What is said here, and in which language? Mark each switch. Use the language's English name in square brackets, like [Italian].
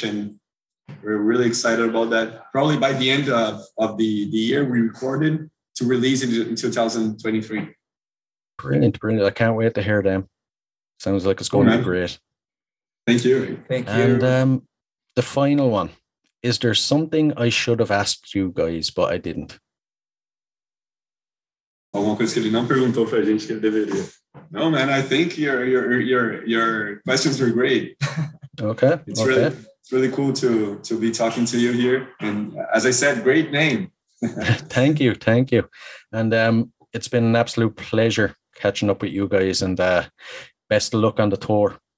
[English] And we're really excited about that. Probably by the end of the year, we recorded to release it in 2023. Brilliant. I can't wait to hear them. Sounds like it's going to be great. Thank you. And the final one, is there something I should have asked you guys, but I didn't? [Portuguese] Alguma coisa que ele não perguntou pra gente que ele deveria. [English] No, man, I think your questions were great. Okay. It's really cool to be talking to you here. And as I said, great name. Thank you. And it's been an absolute pleasure catching up with you guys, and best of luck on the tour.